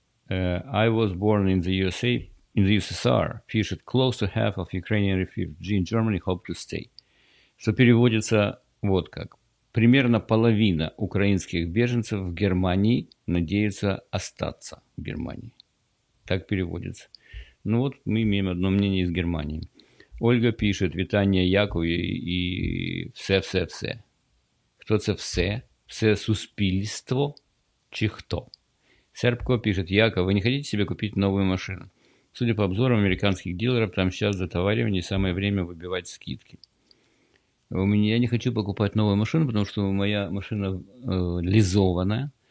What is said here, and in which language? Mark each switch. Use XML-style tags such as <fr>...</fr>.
<en>I was born in the USA, in the USSR,</en> <ru>пишет,</ru> <en>close to half of Ukrainian refugees in Germany hope to stay.</en> <ru>Что переводится вот как. Примерно половина украинских беженцев в Германии надеются остаться в Германии. Так переводится. Ну вот мы имеем одно мнение из Германии. Ольга пишет:</ru> <uk>«Вітання Якові»</uk> <ru>і «все-все-все».</ru> <uk>Хто це «все»? Все суспільство чи хто?</uk> <ru>Сербко пишет: «Яков, вы не хотите себе купить новую машину? Судя по обзорам американских дилеров, там сейчас затоваривание, самое время выбивать скидки». Я не хочу покупать новую машину, потому что моя машина лизованная.</ru>